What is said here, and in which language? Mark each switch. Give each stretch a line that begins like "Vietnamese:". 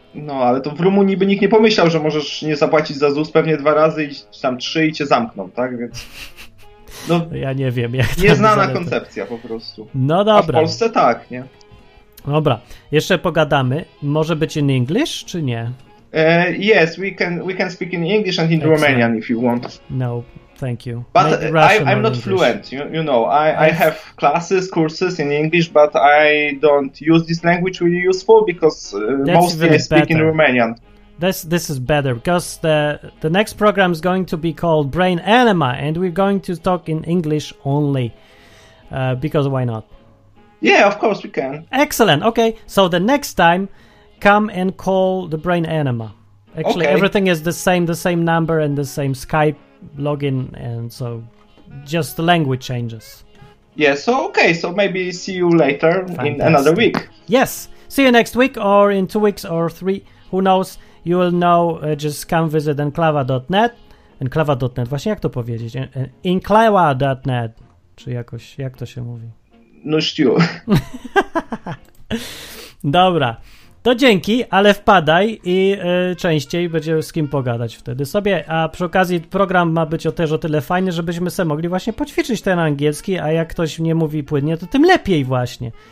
Polish: No, ale to w Rumunii by nikt nie pomyślał, że możesz nie zapłacić za ZUS pewnie 2 razy i tam 3 i cię zamkną, tak? Więc, no, ja nie wiem, jak to... Nieznana koncepcja po prostu. No dobra. A w Polsce tak, nie? Dobra, jeszcze pogadamy. Może być
English: in English,
Polish: czy nie?
English: Yes, we can speak in English and in Romanian if you want. No, thank you. But I'm not fluent, you know. I have courses in English, but I don't use this language really useful because mostly I speak in Romanian. This is better because the next program is going to be called Brain Enema and we're going to talk in English only. Because why not? Yeah, of course we can. Excellent. Okay, so the next time, come and call the Brain Enema. Actually, okay. Everything is the same number and the same Skype login, and so just the language changes. Yeah, so okay, so maybe see you later. Fantastic. In another week. Yes, see you next week or in 2 weeks or 3, who knows. You will know, just come visit enklawa.net.
Polish: Enklawa.net, właśnie jak to powiedzieć? Enklawa.net, czy jakoś, jak to się mówi? No ściu. Dobra, to dzięki, ale wpadaj i częściej będziemy z kim pogadać wtedy sobie, a przy okazji program ma być też o tyle fajny, żebyśmy sobie mogli właśnie poćwiczyć ten angielski, a jak ktoś nie mówi płynnie, to tym lepiej właśnie.